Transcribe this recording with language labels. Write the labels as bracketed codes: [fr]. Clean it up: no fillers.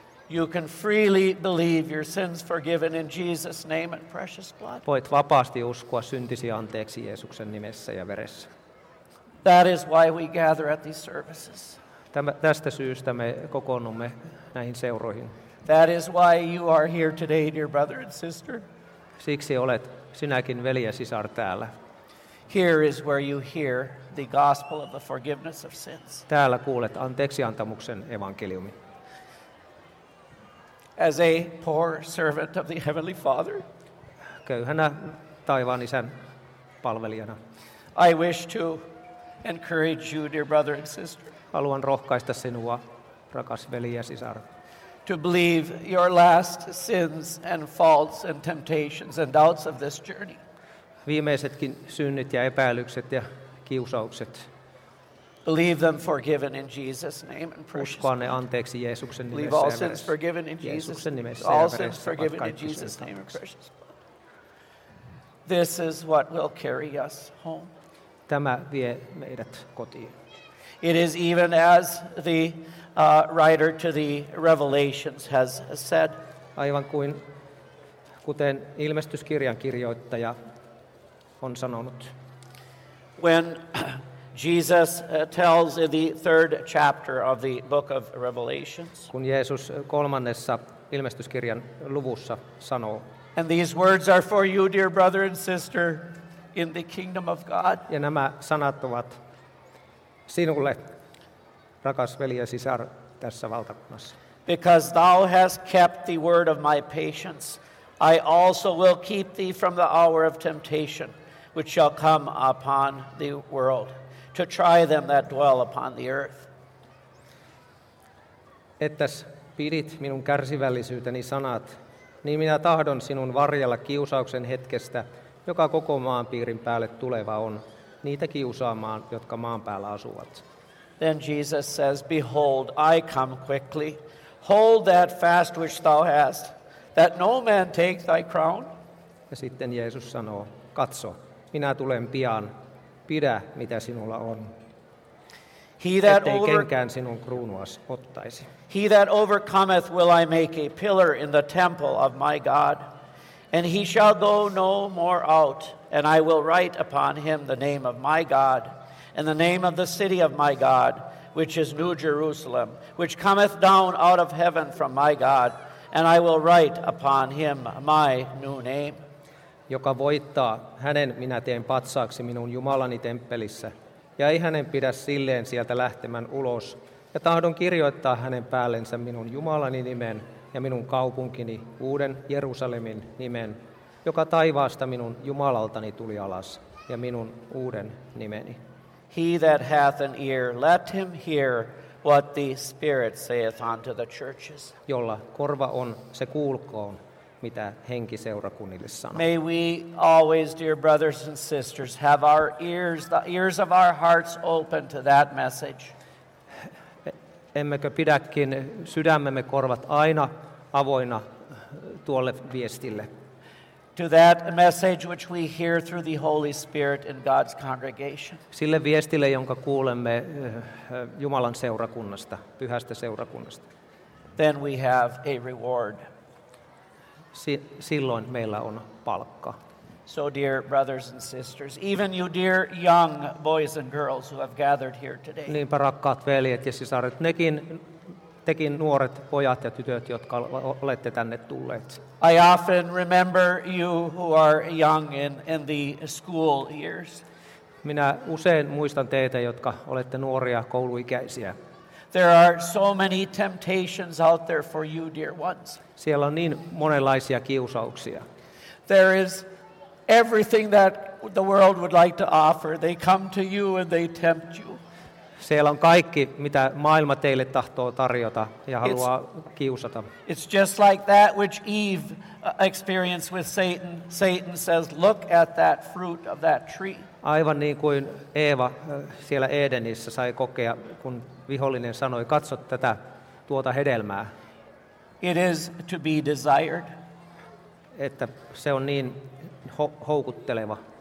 [en] You can freely believe your sins forgiven in Jesus' name and precious blood. [fi] Voit vapaasti uskoa syntisi anteeksi Jeesuksen nimessä ja veressä. [en] That is why we gather at these services. [fi] Tästä syystä me kokoonnumme näihin seuroihin. [en] That is why you are here today, dear brother and sister. [fi] Siksi olet sinäkin veli ja sisar täällä. [en] Here is where you hear the gospel of the forgiveness of sins. [fi] Täällä kuulet anteeksiantamuksen evankeliumi. [en] As a poor servant of the Heavenly Father, [fi] köyhänä taivaan isän palvelijana, [en] I wish to encourage you, dear brother and sister, [fi] haluan rohkaista sinua, rakas veli ja sisar, [en] to believe your last sins and faults and temptations and doubts of this journey. [fi] Viimeisetkin synnit ja epäilykset ja kiusaukset. [en] Believe them forgiven in Jesus' name and precious name. Believe all sins forgiven in Jesus' name. All sins forgiven in Jesus' name and precious name. This is what will carry us home. [fi] Tämä vie meidät kotiin. [en] It is even as the writer to the Revelations has said. [fi] Aivan kuin kuten ilmestyskirjan kirjoittaja on sanonut. [en] When Jesus tells in the third chapter of the book of Revelations. [fi] Kun Jeesus kolmannessa ilmestyskirjan luvussa sanoo. [en] And these words are for you, dear brother and sister, in the kingdom of God. [fi] Ja nämä sanat ovat sinulle, rakas veli ja sisar, tässä valtakunnassa. [en] Because thou hast kept the word of my patience, I also will keep thee from the hour of temptation, which shall come upon the world, to try them that dwell upon the earth. [fi] Ettäs pidit minun kärsivällisyyteni sanat, niin minä tahdon sinun varjella kiusauksen hetkestä, joka koko maanpiirin päälle tuleva on, niitä kiusaamaan, jotka maan päällä asuvat. [en] Then Jesus says, behold, I come quickly. Hold that fast which thou hast, that no man take thy crown. [fi] Ja sitten Jeesus sanoo, katso, minä tulen pian. Pidä, mitä sinulla on, ettei kenkään sinun kruunuasi ottaisi. [en] He that overcometh will I make a pillar in the temple of my God, and he shall go no more out, and I will write upon him the name of my God, and the name of the city of my God, which is New Jerusalem, which cometh down out of heaven from my God, and I will write upon him my new name. [fi] Joka voittaa, hänen minä teen patsaaksi minun Jumalani temppelissä, ja ei hänen pidä silleen sieltä lähtemän ulos, ja tahdon kirjoittaa hänen päällensä minun Jumalani nimen ja minun kaupunkini, uuden Jerusalemin nimen, joka taivaasta minun Jumalaltani tuli alas, ja minun uuden nimeni. [en] He that hath an ear, let him hear what the Spirit saith unto the churches. [fi] Jolla korva on, se kuulkoon, mitä henki seurakunnille sanoo. [en] May we always, dear brothers and sisters, have our ears, the ears of our hearts open to that message. [fi] Emmekö pidäkin sydämemme korvat aina avoina tuolle viestille? [en] To that message which we hear through the Holy Spirit in God's congregation. [fi] Sille viestille, jonka kuulemme Jumalan seurakunnasta, pyhästä seurakunnasta. [en] Then we have a reward. [fi] Silloin meillä on palkka. [en] So dear brothers and sisters, even you dear young boys and girls who have gathered here today. [fi] Niinpä rakkaat veljet ja sisaret, nekin tekin nuoret pojat ja tytöt, jotka olette tänne tulleet. [en] I often remember you who are young in the school years. [fi] Minä usein muistan teitä, jotka olette nuoria kouluikäisiä. [en] There are so many temptations out there for you, dear ones. [fi] Siellä on niin monenlaisia kiusauksia. [en] There is everything that the world would like to offer. They come to you and they tempt you. [fi] Siellä on kaikki, mitä maailma teille tahtoo tarjota ja haluaa kiusata. [en] It's just like that which Eve experienced with Satan. Satan says, look at that fruit of that tree. [fi] Aivan niin kuin Eeva siellä Edenissä sai kokea, kun vihollinen sanoi, katso tätä tuota hedelmää. [en] It is to be desired. [fi] Että se on niin houkutteleva.